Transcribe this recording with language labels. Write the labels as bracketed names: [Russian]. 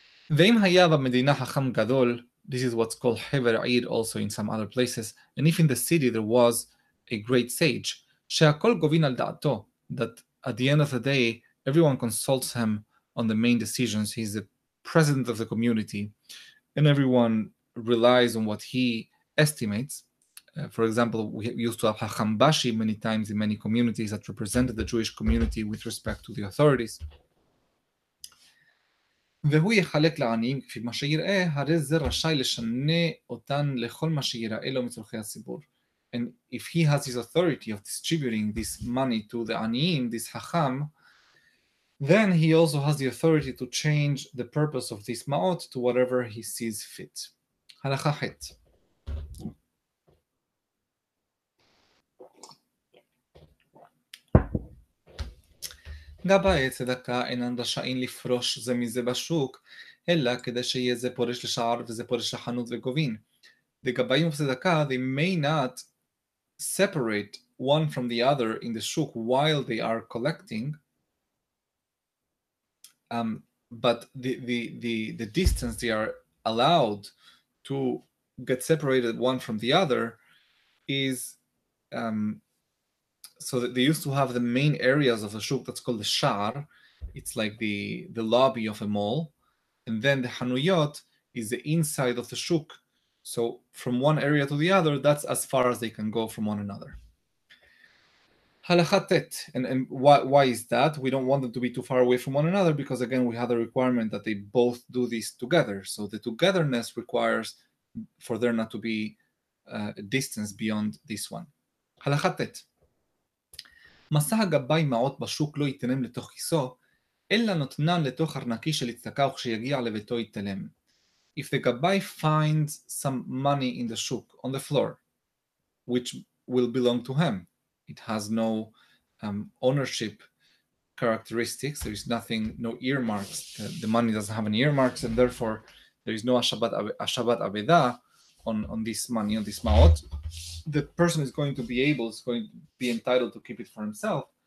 [Hebrew] Ve'im haya b'medina hacham gadol, [English] this is what's called Hever Eir also in some other places, and if in the city there was a great sage, [Hebrew] she'akol govin al da'ato, [English] that at the end of the day, everyone consults him on the main decisions, he's the president of the community, and everyone relies on what he estimates. For example, we used to have Hacham Bashi many times in many communities that represented the Jewish community with respect to the authorities. [Hebrew] והוא יחלק לעניים כפי מה שיראה, הרי זה רשאי לשנה אותן לכל מה שיראה לו מצורכי הסיבור. [English] And if he has his authority of distributing this money to the aniim, this hacham, then he also has the authority to change the purpose of this ma'ot to whatever he sees fit. [Hebrew] הלכה חית. גבאי צדקה אינן רשאין לפרוש זה מזה בשוק, אלא כדי שיהיה זה פורש לשער וזה פורש לחנות וגובין. לגבאים וצדקה, [English] they may not separate one from the other in the shuk while they are collecting, but the distance they are allowed to get separated one from the other is... So they used to have the main areas of the shuk that's called the shar. It's like the lobby of a mall. And then the hanuyot is the inside of the shuk. So from one area to the other, that's as far as they can go from one another. Halachat tet. And why is that? We don't want them to be too far away from one another because, again, we have the requirement that they both do this together. So the togetherness requires for there not to be a distance beyond this one. Halachat tet. [Hebrew] מסע הגבאי מעות בשוק לא יתנם לתוך כיסו, אלא נותנן לתוך ארנקי של הצדקה וכשיגיע לביתו יתלם. [English] If the gabai finds some money in the shuk, on the floor, which will belong to him, it has no ownership characteristics, there is nothing, no earmarks, the money doesn't have any earmarks, and therefore there is no ashabat abedah, on this money, on this ma'ot, the person is going to be able, is going to be entitled to keep it for himself.